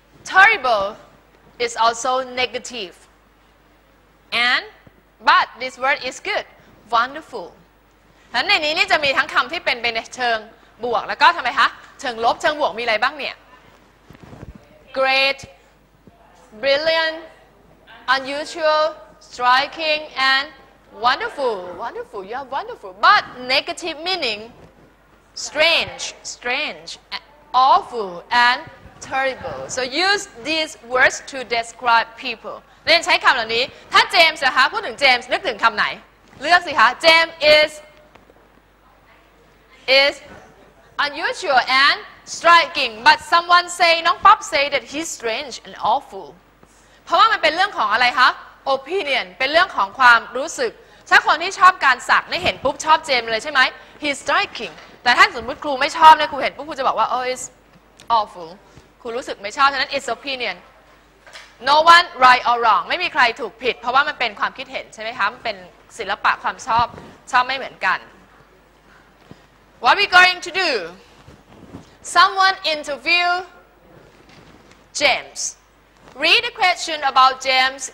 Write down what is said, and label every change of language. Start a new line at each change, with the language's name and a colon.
English: Terrible is also negative And but this word is good Wonderful
Thai: ฉะนั้นในนี้นี่จะมีทั้งคำที่เป็นไปในเชิงบวกแล้วก็ทำไมคะเชิงลบเชิงบวกมีอะไรบ้างเนี่ย
English: Great Brilliant Unusual Striking andWonderful, wonderful, you are wonderful. But negative meaning, strange, strange, awful, and terrible. So use these words to describe people.
Thai: เรียนใช้คำเหล่านี้ถ้าเจมส์นะคะพูดถึงเจมส์นึกถึงคำไหนเลือกสิคะเจมส์
English: is unusual and striking. But someone say, น้องป๊อป say that he's strange and awful.
Thai: เพราะว่ามันเป็นเรื่องของอะไรคะ Opinion, เป็นเรื่องของความรู้สึกถ้าคนที่ชอบการสักได้เห็นปุ๊บชอบเจมเลยใช่ไหม
English: He's striking
Thai: แต่ถ้าสมมติครูไม่ชอบนะครูเห็นปุ๊บครูจะบอกว่า
English: Oh it's awful
Thai: ครูรู้สึกไม่ชอบฉะนั้น
English: it's opinion No one right or wrong
Thai: ไม่มีใครถูกผิดเพราะว่ามันเป็นความคิดเห็นใช่ไหมคะมันเป็นศิลปะความชอบชอบไม่เหมือนกัน
English: What we going to do Someone interview JamesRead a question about James.